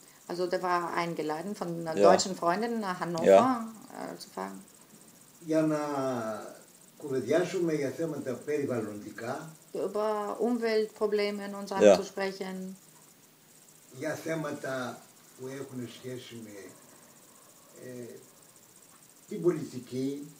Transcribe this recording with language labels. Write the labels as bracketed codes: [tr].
[de] Also der war eingeladen von deutschen Freunden nach Hannover zu fahren. [el] Για να κουβεντιάσουμε για θέματα περιβαλλοντικά. [de] Über Umweltprobleme und so zu sprechen. [el] Για θέματα που έχουν σχέση με την πολιτική.